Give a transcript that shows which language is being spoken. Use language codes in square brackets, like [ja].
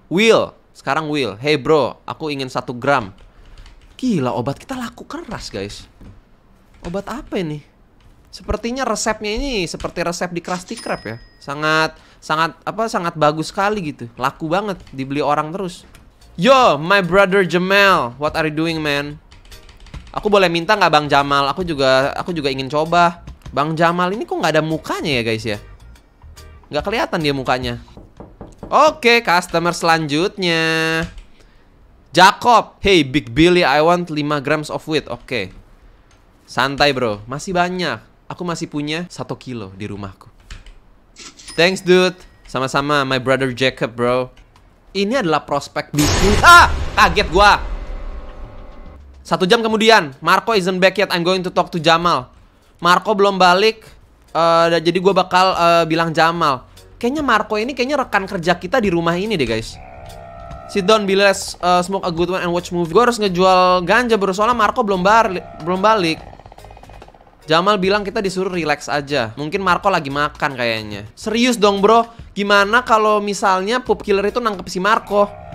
[id] Will, sekarang Will. Hey bro, aku ingin 1 gram. Gila, obat kita laku keras guys. Obat apa ini? Sepertinya resepnya ini seperti resep di Krusty Krab ya. Sangat bagus sekali gitu. Laku banget, dibeli orang terus. [en] Yo, my brother Jamal, what are you doing man? [id] Aku boleh minta nggak Bang Jamal? Aku juga ingin coba. Bang Jamal ini kok nggak ada mukanya ya guys ya? Nggak kelihatan dia mukanya. Oke, customer selanjutnya. Jacob. [en] Hey, Big Billy, I want 5 grams of wheat. [id] Oke. Santai bro, masih banyak. Aku masih punya 1 kilo di rumahku. [en] Thanks dude. [id] Sama-sama, [en] my brother Jacob [id] bro. Ini adalah prospek bisnis. Ah, kaget gua. 1 jam kemudian, [en] Marco isn't back yet, I'm going to talk to Jamal. [id] Marco belum balik, jadi gue bakal bilang Jamal. kayaknya Marco ini kayaknya rekan kerja kita di rumah ini deh guys. [en] Sit down, be less, smoke a good one and watch movie. [id] Gue harus ngejual ganja bro, soalnya Marco belum balik. Jamal bilang kita disuruh relax aja. Mungkin Marco lagi makan kayaknya. Serius dong bro, gimana kalau misalnya Poop Killer itu nangkep si Marco?